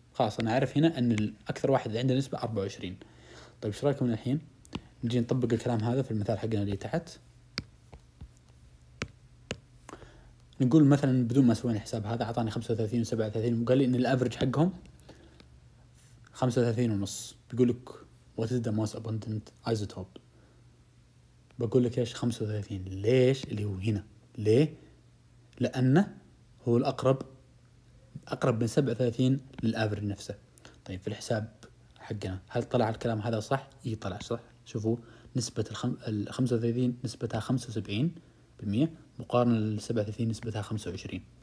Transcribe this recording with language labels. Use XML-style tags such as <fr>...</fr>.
<ar>خلاص أنا أعرف هنا أن الأكثر واحد عنده نسبة 24. طيب إيش رأيكم الحين؟ نجي نطبق الكلام هذا في المثال حقنا اللي تحت. نقول مثلا بدون ما سوينا الحساب هذا أعطاني 35 و37 وقال لي أن الأفريج حقهم 35.5. بيقول لك</ar> <en>What is the most abundant isotope؟</en> <ar>بقول لك إيش 35. ليش؟ اللي هو هنا. ليه؟ لأنه هو الأقرب من 37 للأفريج نفسه. طيب في الحساب حقنا هل طلع الكلام هذا صح؟ إيه طلع صح. شوفوا نسبة الخمسة وثلاثين نسبتها 75% مقارنة للسبعة وثلاثين نسبتها 25.</ar>